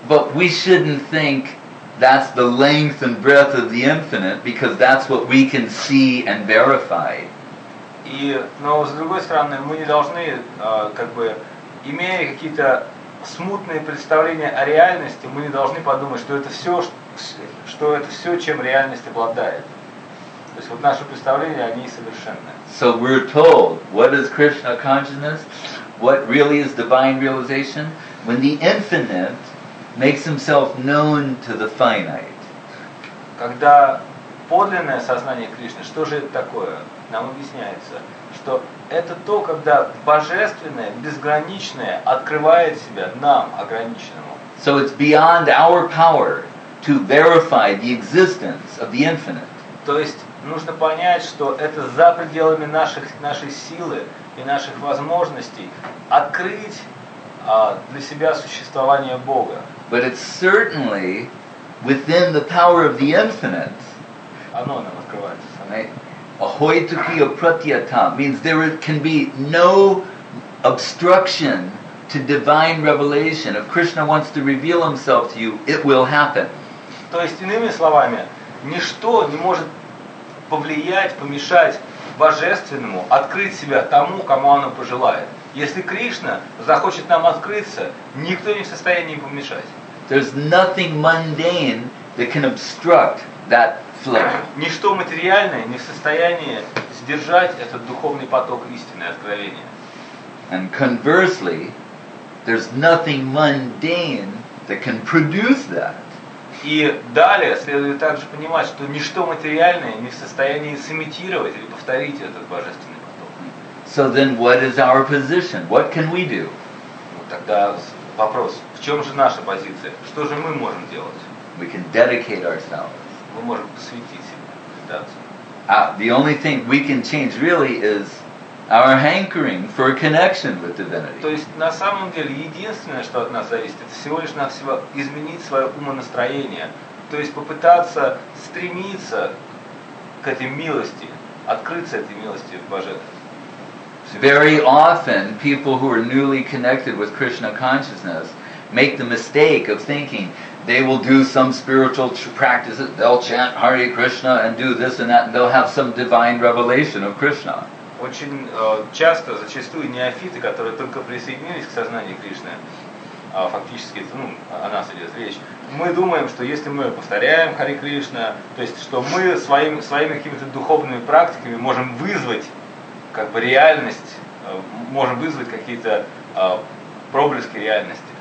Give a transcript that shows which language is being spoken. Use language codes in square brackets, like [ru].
[en] But we shouldn't think that's the length and breadth of the infinite, because that's what we can see and verify. [ru] И, но с другой стороны, мы не должны, как бы, имея какие-то смутные представления о реальности, мы не должны подумать, что это все, что это все, чем реальность обладает. То есть вот наши представления, они совершенны. [en] So we're told, what is Krishna consciousness? What really is divine realization? When the infinite makes himself known to the finite. [ru] Когда подлинное сознание Кришны, что же это такое? Нам объясняется, что это то, когда божественное, безграничное открывает себя нам, ограниченному. [en] So it's beyond our power to verify the existence of the infinite. [ru] То есть нужно понять, что это за пределами нашей силы и наших возможностей открыть для себя существование Бога. [en] But it's certainly within the power of the infinite. [ru] Оно нам открывается. [sa] Ahoituki apratyata [en] means there can be no obstruction to divine revelation. If Krishna wants to reveal himself to you, it will happen. [ru] То есть, иными словами, ничто не может помешать божественному открыть себя тому, кому оно пожелает. Если Кришна захочет нам открыться, никто не в состоянии им помешать. [en] There's nothing mundane that can obstruct that flow. [ru] Ничто материальное не в состоянии сдержать этот духовный поток истины, откровения. [en] And conversely, there's nothing mundane that can produce that. [ru] И далее следует также понимать, что ничто материальное не в состоянии сымитировать или повторить этот божественный поток. [en] So then what is our position? What can we do? [ru] Вот тогда вопрос, в чем же наша позиция? Что же мы можем делать? [en] We can dedicate ourselves. [ru] Мы можем посвятить себя, предаться. [en] The only thing we can change really is our hankering for a connection with divinity. [ru] То есть на самом деле единственное, что от нас зависит, это всего лишь навсего изменить свое умонастроение, то есть попытаться стремиться к этой милости, открыться этой милости в божественном. [en] Very often people who are newly connected with Krishna consciousness make the mistake of thinking they will do some spiritual practice, they'll chant Hare Krishna and do this and that, and they'll have some divine revelation of Krishna. [ru] Очень часто, зачастую, неофиты, которые только присоединились к сознанию Кришны, фактически, ну, о нас идет речь, мы думаем, что если мы повторяем Хари Кришна, то есть, что мы своими какими-то духовными практиками можем вызвать, как бы, реальность, можем вызвать какие-то проблески реальности.